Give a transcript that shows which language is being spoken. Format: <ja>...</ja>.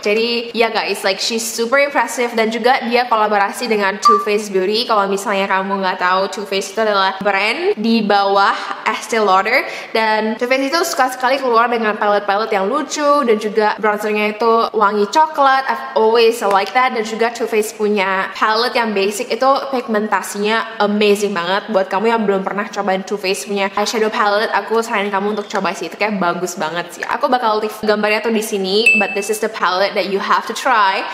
<en>Jadi ya guys, like she's super impressive.</en> <id>Dan juga dia kolaborasi dengan Too Faced Beauty. Kalau misalnya kamu gak tahu, Too Faced itu adalah brand di bawah Estee Lauder, dan Too Faced itu suka sekali keluar dengan palette-palette yang lucu dan juga bronzernya itu wangi coklat.</id> <en>I've always like that.</en> <id>Dan juga Too Faced punya palette yang basic itu pigmentasinya amazing banget. Buat kamu yang belum pernah cobain Too Faced punya eyeshadow palette, aku saranin kamu untuk coba sih, itu kayak bagus banget sih. Aku bakal leave gambarnya tuh di sini, but</id> <en>this is the palette that you have to try.</en>